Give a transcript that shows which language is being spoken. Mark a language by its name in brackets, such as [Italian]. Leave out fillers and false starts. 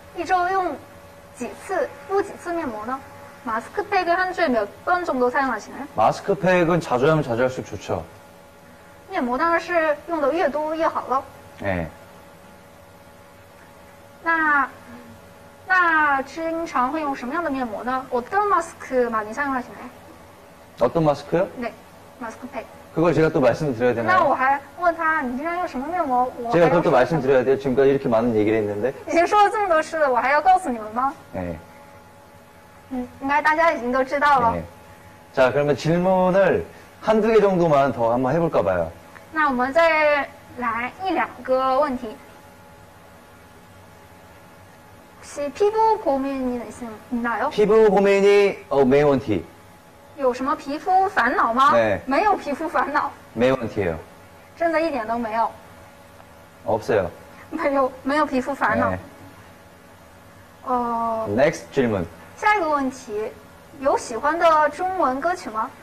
[Chinese] 然后我们看一下下一个问题，有些粉丝们在问，一周用几次敷几次面膜呢？ [Korean] 마스크팩은 한 주에 몇 번 정도 사용하시나요? 마스크팩은 자주 하면 자주 할수록 좋죠. [Chinese] 면膜 당연히 用的越多越好了. [Korean] 네. [Chinese] 那经常会用什么样的面膜呢？ [Korean] 어떤 마스크 많이 사용하시나요? 어떤 마스크요? 네, 마스크팩. 그걸 제가 또 말씀드려야 되나요? [Chinese] 那我还问他，你经常用什么面膜？ [Korean] 제가 그걸 또 말씀드려야 돼요? 지금까지 이렇게 많은 얘기를 했는데? [Chinese] 已经说了这么多事，我还要告诉你们吗？ [Korean] 네. [Chinese] 应该大家已经都知道了。 [Korean] 네. 자, 그러면 질문을 한두 개 정도만 더 한번 해볼까 봐요. [Chinese] 那我们再来一两个问题。 [Korean] 혹시 피부 고민이 있나요? 피부 고민이 [Chinese] 没问题。有什么皮肤烦恼吗？ [Korean] 네. [Chinese] 没有皮肤烦恼。没问题。真的一点都没有。 [Korean] 없어요. [Chinese] 没有皮肤烦恼。 [Korean] 네. [English] Next [Korean] 질문. [Chinese] 下一个问题，有喜欢的中文歌曲吗？